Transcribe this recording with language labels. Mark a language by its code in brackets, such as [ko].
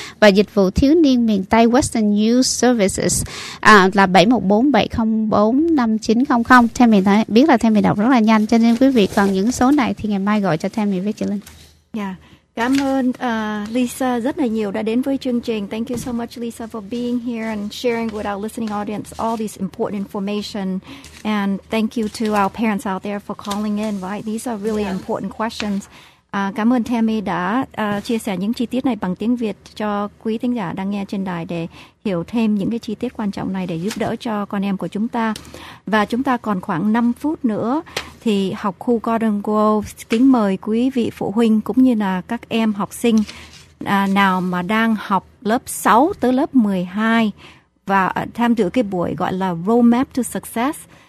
[vi] Và dịch vụ thiếu niên miền Tây Western Youth Services là 714-704-5900. Tammy nói, biết là Tammy đọc rất là nhanh, cho nên quý vị cần những số này thì ngày mai gọi cho Tammy với chị Linh. Yeah. Cảm ơn Lisa rất là nhiều đã đến với chương trình. [en] Thank you so much, Lisa, for being here and sharing with our listening audience all this important information. And thank you to our parents out there for calling in, right? These are really important questions. [vi] Cảm ơn Tammy đã chia sẻ những chi tiết này bằng tiếng Việt cho quý thính giả đang nghe trên đài để hiểu thêm những cái chi tiết quan trọng này để giúp đỡ cho con em của chúng ta. Và chúng ta còn khoảng 5 phút nữa thì học khu Garden Grove kính mời quý vị phụ huynh cũng như là các em học sinh nào mà đang học lớp 6 tới lớp 12 và tham dự cái buổi gọi là Roadmap to Success.